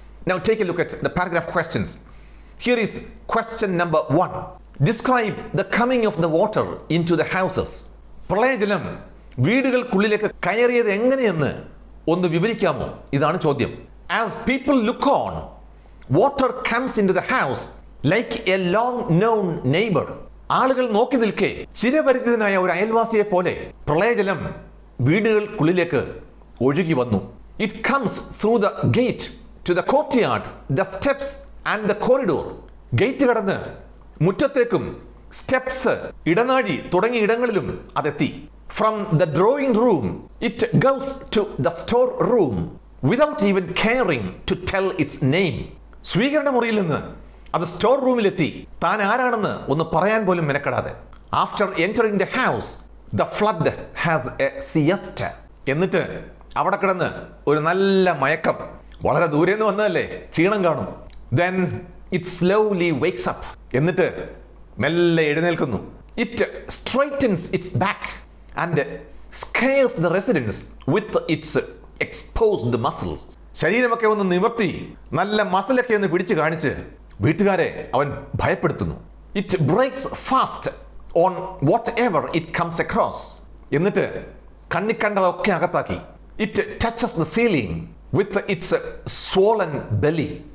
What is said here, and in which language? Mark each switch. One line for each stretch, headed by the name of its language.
English: Now take a look at the paragraph questions. Here is question number 1. Describe the coming of the water into the houses.
Malayalam: പ്രളയജലം വീടുകൾക്കുള്ളിലേക്ക് കയറിയത് എങ്ങനെയെന്ന് ഒന്ന് വിവരിക്കാമോ? ഇതാണ് ചോദ്യം.
English: As people look on, water comes into the house like a long known neighbor.
Malayalam: ആളുകൾ നോക്കി നിൽക്കെ ചിരപരിചിതനായ ഒരു അയൽവാസിയെ പോലെ പ്രളയജലം വീടുകൾക്കുള്ളിലേക്ക് ഒഴുകി വന്നു.
English: It comes through the gate to the courtyard the steps and the corridor.
Malayalam: Gate കടന്ന് മുറ്റത്തേക്കും സ്റ്റെപ്സ് ഇടനാഴി തുടങ്ങിയ ഇടങ്ങളിലും അതെത്തി.
English: From the drawing room, it goes to the store room without even caring to tell its name.
Malayalam: സ്വീകരണ മുറിയിൽ നിന്ന് അത് store റൂമിലെത്തി താൻ ആരാണെന്ന് ഒന്ന് പറയാൻ പോലും മെനക്കെടാതെ.
English: After entering the house, the flood has a siesta.
Malayalam: എന്നിട്ട് അവിടെ കിടന്ന് ഒരു നല്ല മയക്കം. വളരെ ദൂരെ നിന്ന് വന്നതല്ലേ, ക്ഷീണം കാണും.
English: Then it slowly wakes up.
Malayalam: എന്നിട്ട് മെല്ലെ എഴുന്നേൽക്കുന്നു.
English: It straightens its back and scares the residents with its exposed muscles.
Malayalam: ശരീരമൊക്കെ ഒന്ന് നിവർത്തി നല്ല മസിലൊക്കെ ഒന്ന് പിടിച്ച് കാണിച്ച് വീട്ടുകാരെ അവൻ ഭയപ്പെടുത്തുന്നു.
English: It breaks fast on whatever it comes across.
Malayalam: എന്നിട്ട് കണ്ണിക്കണ്ടതൊക്കെ അകത്താക്കി.
English: It touches the ceiling with its swollen belly.